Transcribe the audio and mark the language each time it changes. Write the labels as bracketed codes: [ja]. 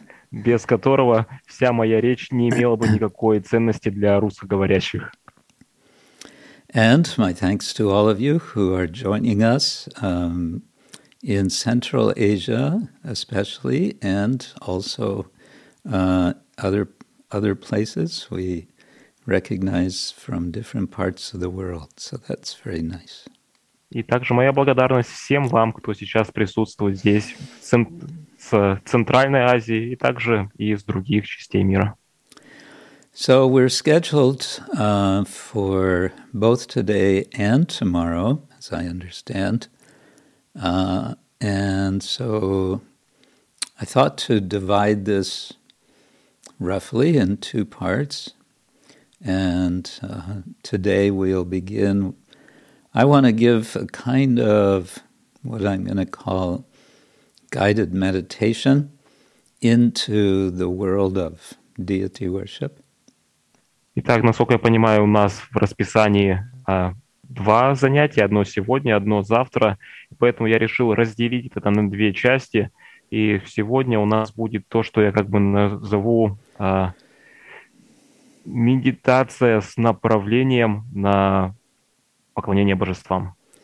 [ru] Без которого вся моя речь не имела бы никакой ценности для русскоговорящих. [en] And my thanks to all of you who are joining us in Central Asia, especially, and also other places we recognize from different parts of the world. So that's very nice. [ru] И также моя благодарность всем вам, кто сейчас присутствует здесь, с Центральной Азии, и также из других частей мира. [en] So we're scheduled for both today and tomorrow, as I understand. And so I thought to divide this roughly in two parts. And today we'll begin. I want to give a kind of what I'm going to call guided meditation into the world of deity worship. [ru] Итак, насколько я понимаю, у нас в расписании два занятия, одно сегодня, одно завтра. Поэтому я решил разделить это на две части. И сегодня у нас будет то, что я как бы назову медитация с направлением на поклонение божествам.